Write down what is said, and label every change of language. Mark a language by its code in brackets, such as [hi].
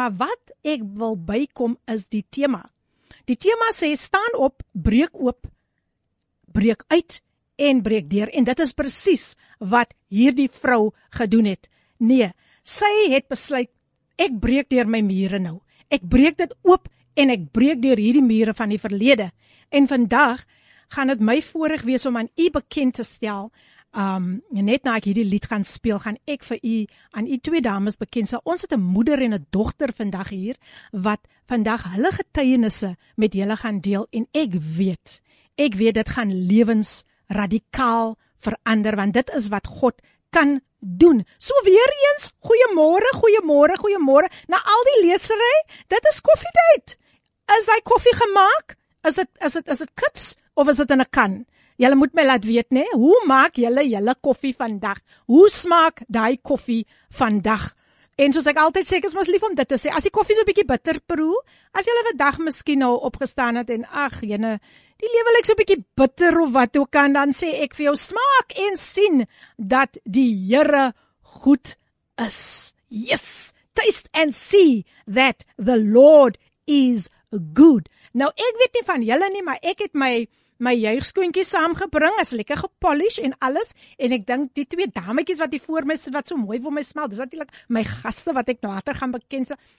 [af] Maar wat ek wil bykom is die tema. Die tema sê, staan op, breek oop, breek uit en breek deur. En dit is presies wat hierdie vrou gedoen het. Nee, sy het besluit, ek breek deur my mure nou. Ek breek dit oop en ek breek deur hierdie mure van die verlede. En vandag gaan het my voorreg wees om aan u bekend te stel. Net na ek hierdie lied gaan speel, gaan ek vir u aan u twee dames bekend stel. Ons het 'n moeder en 'n dogter vandag hier wat vandag hulle getuienisse met julle gaan deel en ek weet dit gaan lewens radikaal verander, want dit is wat God kan doen. So weer eens, goeiemôre na al die lesery. Dit is koffietyd. Is hy koffie gemaak? Is dit kits of is dit in 'n kan? Julle moet my laat weet, né? Hoe maak julle koffie vandag? Hoe smaak daai koffie vandag? En soos ek altyd sê, ek is mos lief om dit te sê. As die koffie so 'n bietjie bitter proe, as julle vandag miskien al opgestaan het en ag, jene, die lewe lyk so 'n bietjie bitter of wat ook al, dan sê ek vir jou, smaak en sien dat die Here goed is. [en] Yes, taste and see that the Lord is good. [af] Nou, ek weet nie van julle nie, maar ek het my juigskoentjie saamgebring, is lekker gepolish en alles, en ek dink die twee dametjies wat hier voor my sit, wat so mooi vir my smel, dis natuurlik my gaste wat ek later gaan bekendstel.